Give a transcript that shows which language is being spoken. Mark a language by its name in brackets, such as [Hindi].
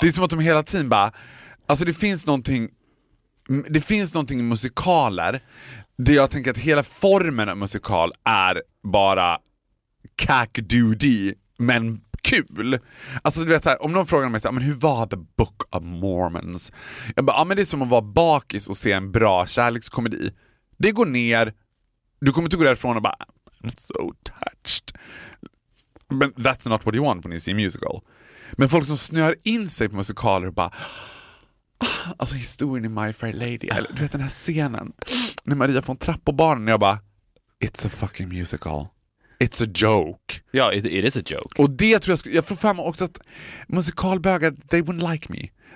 [Swedish] Det är som att de hela tiden bara... Alltså det finns någonting i musikaler där jag tänker att hela formen av musikal är bara kack-doody, men... kul. Alltså du vet så här, om någon frågar mig så här, men hur var The Book of Mormons? Jag bara, ja, men det är som att vara bakis och se en bra kärlekskomedi. Det går ner. Du kommer inte gå därifrån och bara, [English] I'm so touched. But that's not what you want when you see a musical. [Swedish] Men folk som snör in sig på musikaler och bara, alltså historien i My Fair Lady. Eller, du vet den här scenen när Maria får en trapp på barnen. Jag bara, [English] it's a fucking musical. it's a joke. Ja, it is a joke. [Swedish] Och det tror jag, jag får fram också att musikalbögar, [English] they wouldn't like me.